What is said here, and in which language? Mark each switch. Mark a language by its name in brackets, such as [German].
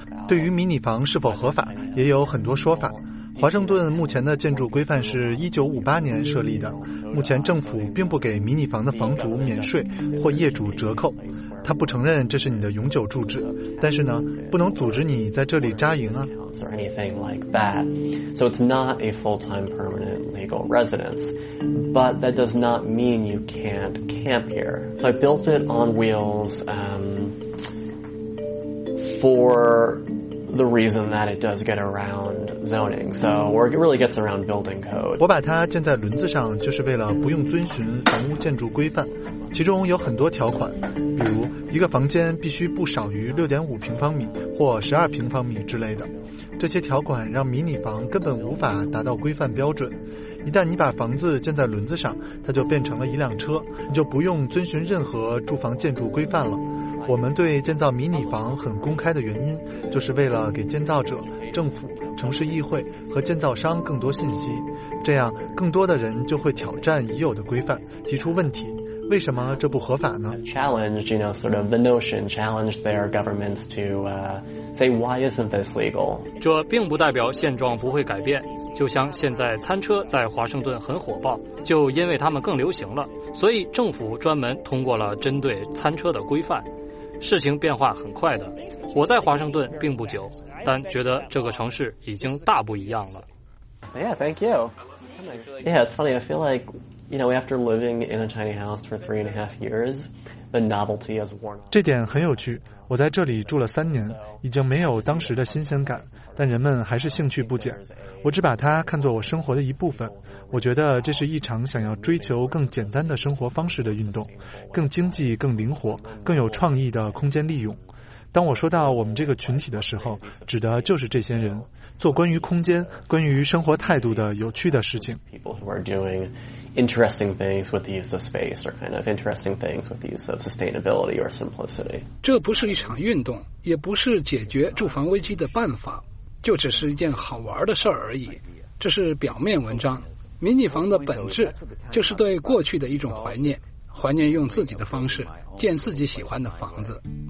[Chinese] 对于迷你房是否合法，也有很多说法。华盛顿目前的建筑规范是1958年设立的，目前政府并不给迷你房的房主免税或业主折扣，他不承认这是你的永久住址，但是呢，不能阻止你在这里扎营啊。 [English] So it's not a full-time permanent legal residence, but that does not mean you can't camp here. So I built it on wheels, for the reason that it does get around zoning, so or it really gets around building code. [Chinese] 我把它建在轮子上，就是为了不用遵循房屋建筑规范。其中有很多条款，比如一个房间必须不少于6.5平方米或12平方米之类的。这些条款让迷你房根本无法达到规范标准。一旦你把房子建在轮子上，它就变成了一辆车，你就不用遵循任何住房建筑规范了。我们对建造迷你房很公开的原因，就是为了给建造者、政府、城市议会和建造商更多信息，这样更多的人就会挑战已有的规范，提出问题，为什么这不合法呢？ [English] Challenge, you know, sort of the notion, challenge their governments to say why isn't this legal? [Chinese] 这并不代表现状不会改变，就像现在餐车在华盛顿很火爆，就因为他们更流行了，所以政府专门通过了针对餐车的规范。事情变化很快的，我在华盛顿并不久，但觉得这个城市已经大不一样了。 [English] Yeah, thank you. Yeah, it's funny. I feel like, you know, after living in a tiny house for 3.5 years, the novelty has worn off. [Chinese] 这点很有趣。我在这里住了3年，已经没有当时的新鲜感，但人们还是兴趣不减。我只把它看作我生活的一部分。我觉得这是一场想要追求更简单的生活方式的运动，更经济、更灵活、更有创意的空间利用。当我说到我们这个群体的时候，指的就是这些人，做关于空间、关于生活态度的有趣的事情。 [English] People who are doing interesting things with the use of space, or kind of interesting things with the use of sustainability or simplicity. [Chinese] 这不是一场运动，也不是解决住房危机的办法，就只是一件好玩的事儿而已。这是表面文章。迷你房的本质就是对过去的一种怀念，怀念用自己的方式建自己喜欢的房子。